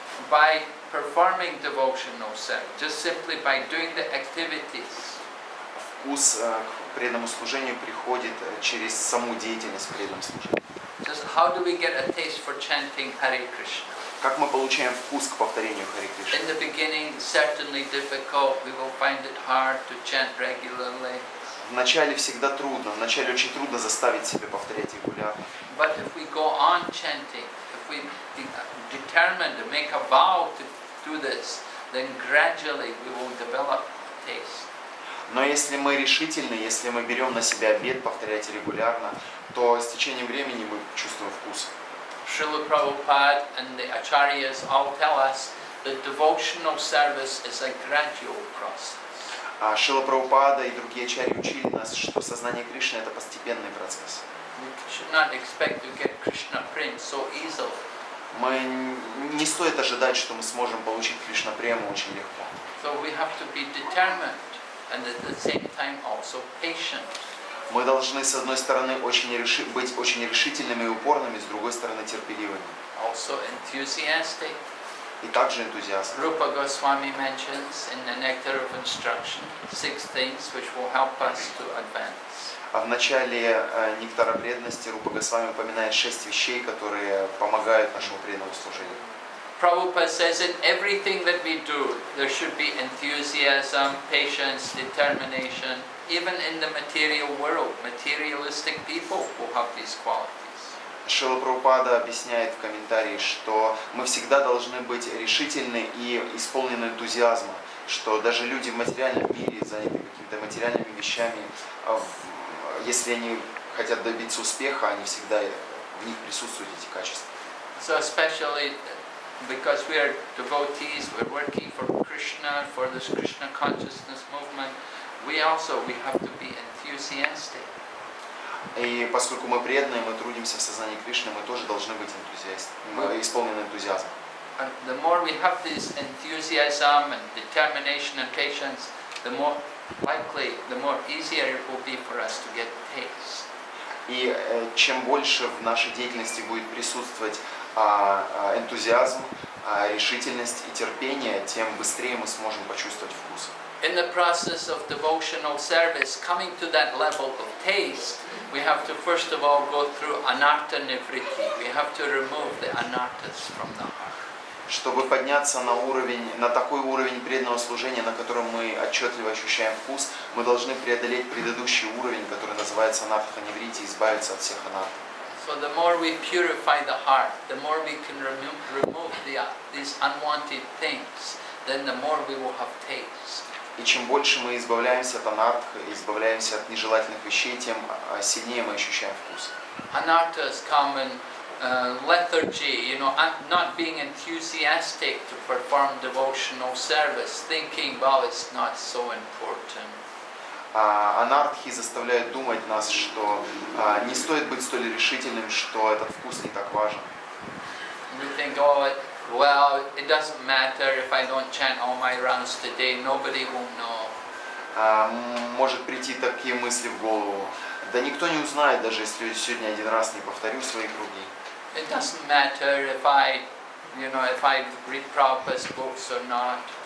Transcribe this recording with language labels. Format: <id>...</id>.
<en>By performing devotional service, just simply by doing the activities.</en> <ru>Вкус к преданному служению приходит через саму деятельность преданного служения.</ru> <en>Says, how do we get a taste for chanting Hare Krishna?</en> <ru>Как мы получаем вкус к повторению Хари Кришны?</ru> <en>In the beginning, certainly difficult. We will find it hard to chant regularly.</en> <ru>Вначале всегда трудно. Вначале очень трудно заставить себя повторять регулярно.</ru> <en>But if we go on chanting, if we determined to make a vow to do this, then gradually we will develop taste.</en> <ru>Но если мы решительны, если мы берем на себя обет повторять регулярно, то с течением времени мы чувствуем вкус.</ru> <en>Srila Prabhupada and the Acharyas all tell us that devotional service is a gradual process.</en> <ru>Srila Prabhupada и другие Ачарьи учили нас, что сознание Кришны это постепенный процесс.</ru> <en>We should not expect to get Krishna prem so easily.</en> <ru>Мы не стоит ожидать, что мы сможем получить Кришна прему очень легко.</ru> <en>So we have to be determined and at the same time also patient.</en> <ru>Мы должны, с одной стороны, быть очень решительными и упорными, с другой стороны, терпеливыми.</ru> <en>Also enthusiastic.</en> <ru>И также энтузиастами.</ru> <en>Rupa Goswami mentions in the Nectar of Instruction six things which will help us to advance.</en> <ru>А в начале Нектара Преданности Рупа Госвами упоминает шесть вещей, которые помогают нашему преданному служению.</ru> <en>Prabhupada says in everything that we do, there should be enthusiasm, patience, determination. Even in the material world, materialistic people will have these qualities.</en> <ru>Шрила Прабхупада объясняет в комментарии, что мы всегда должны быть решительны и исполнены энтузиазма, что даже люди в материальном мире, заняты какими-то материальными вещами, если они хотят добиться успеха, они всегда в них присутствуют эти качества.</ru> <en>So especially because we are devotees, we're working for Krishna, for this Krishna consciousness movement. We have to be enthusiastic.</en> <ru>И поскольку мы преданные, мы трудимся в сознании Кришны, мы тоже должны быть энтузиастами, исполнены энтузиазма.</ru> <en>And the more we have this enthusiasm and determination and patience, the more likely, the more easier it will be for us to get taste.</en> <ru>И чем больше в нашей деятельности будет присутствовать энтузиазм, решительность и терпение, тем быстрее мы сможем почувствовать вкус.</ru> <en>In the process of devotional service, coming to that level of taste, we have to first of all go through anartha nivritti. We have to remove the anarthas from the heart.</en> <ru>Чтобы подняться на уровень, на такой уровень преданного служения, на котором мы отчетливо ощущаем вкус, мы должны преодолеть предыдущий уровень, который называется anartha nivritti, избавиться от всех анарт.</ru> <en>So the more we purify the heart, the more we can remove these unwanted things, then the more we will have taste.</en> <ru>И чем больше мы избавляемся от анартх, избавляемся от нежелательных вещей, тем сильнее мы ощущаем вкус.</ru> <en>Anarthas come in lethargy, you know, not being enthusiastic to perform devotional service, thinking, well, it's not so important.</en> <ru>Анартхи заставляют думать нас, что не стоит быть столь решительным, что этот вкус не так важен.</ru> <en>We think, oh, well, it doesn't matter if I don't chant all my rounds today. Nobody will know.</en> <ru>Может прийти такие мысли в голову. Да никто не узнает, даже если я сегодня один раз не повторю свои круги.</ru> <en>It doesn't matter if I, you know, if I read Prabhupada's books or not.</en>